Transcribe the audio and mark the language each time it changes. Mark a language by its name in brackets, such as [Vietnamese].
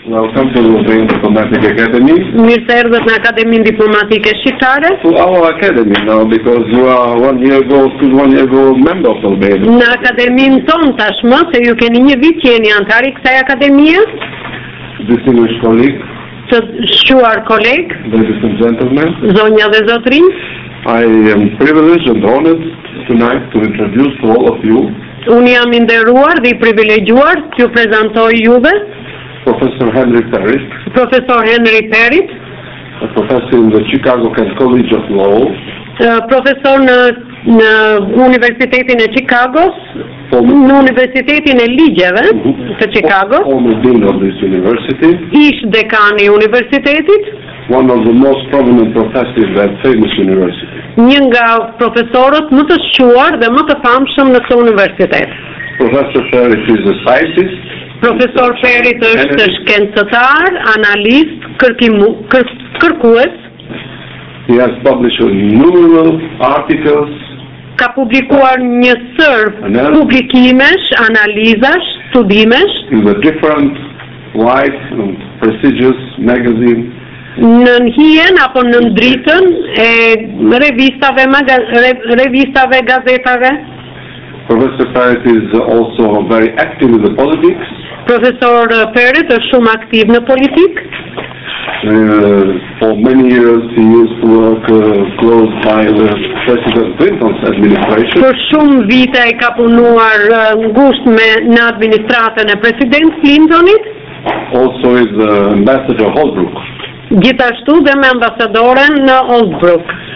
[English] Welcome to the Diplomatic Academy. [Albanian] Mirëserdhët në Akademinë Diplomatike Shqiptare. [English] To our academy now, because you are one year ago member of Albania. [Albanian] Në akademinë tonë tashmë, se ju keni një vit që jeni antar i kësaj akademie. [English] Distinguished colleague. [Albanian] Të shquar koleg. [English] Ladies and gentlemen. [Albanian] Zonja dhe zotrin. [English] I am privileged and honored tonight to introduce to all of you. [Albanian] Unë jam i nderuar dhe i privilegjuar t'ju prezantoj juve [English] Professor Henry Parrish. [Albanian] Professor Henry Parrish, [English] a professor in the Chicago Kent College of Law. [Albanian] Profesor në Universitetin e Chicagos, në Universitetin e Ligjeve të Chicagos. [English] Former dean of this university. [Albanian] Ish dekan i universitetit. [English] One of the most prominent professors at famous university. [Albanian] Një nga profesorët më të shquar dhe më të famshëm në këtë universitet. [English] Professor Ferris is a scientist. [Albanian] Profesor Ferris është shkencëtar, analist, kërkues. [English] He has published numerous articles. [Albanian] Ka publikuar një sër publikimesh, analizash, studimesh. [English] In the different wide and prestigious magazines. [Albanian] Në hijen apo në ndritën e revistave, gazetave. [English] Professor Ferret is also very active in the politics. [Albanian] Profesor Ferret është shumë aktiv në politikë. [English] For many years he used to work close by the President Clinton's administration. [Albanian] Për shumë vite ai ka punuar ngushtë me në administratën e President Clintonit. [English] Also is Ambassador Holbrook. [Albanian] Gjithashtu dhe me ambasadoren në Holbrook.